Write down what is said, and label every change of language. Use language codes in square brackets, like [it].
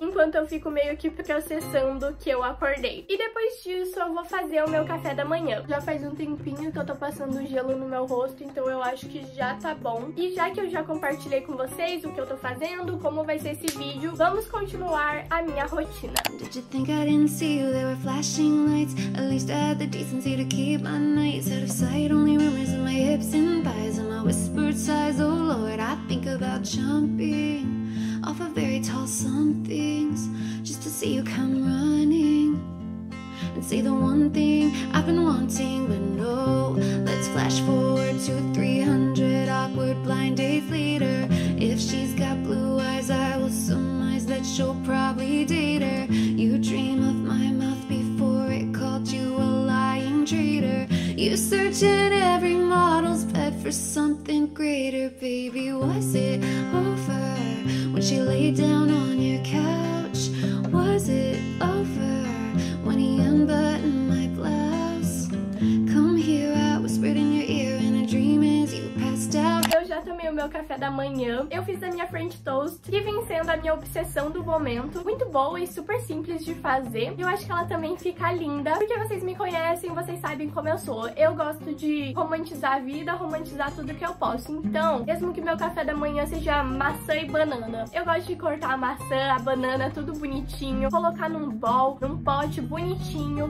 [pt] Enquanto eu fico meio que processando que eu acordei. E depois disso, eu vou fazer o meu café da manhã. Já faz um tempinho que eu tô passando gelo no meu rosto, então eu acho que já tá bom. E já que eu já compartilhei com vocês o que eu tô fazendo, como vai ser esse vídeo, vamos continuar a minha rotina. [en] Did you think I didn't see you? There were flashing lights. At least I had the decency to keep my nights out of sight. Only rumors in my hips and thighs and my whispered sighs. Oh Lord, I think about jumping off of very tall somethings just to see you come running and say the one thing I've been wanting. But no, let's flash forward to 300 awkward blind dates later. If she's got blue eyes, I will surmise that she'll probably date her. You dream of my mouth before it called you a lying traitor. You search in every model's bed for something greater. Baby, was it over when she laid down on your couch? Was it over when he unbuttoned my blouse? Come here, I whispered in your ear, and a dream is you passed out. [pt] Eu já tomei o meu café da manhã. Eu fiz a minha French Toast, que vem sendo a minha obsessão do momento. Muito boa e super simples de fazer. Eu acho que ela também fica linda, porque vocês me conhecem, vocês sabem como eu sou. Eu gosto de romantizar a vida, romantizar tudo que eu posso. Então, mesmo que meu café da manhã seja maçã e banana, eu gosto de cortar a maçã, a banana, tudo bonitinho, colocar num bowl, num pote bonitinho.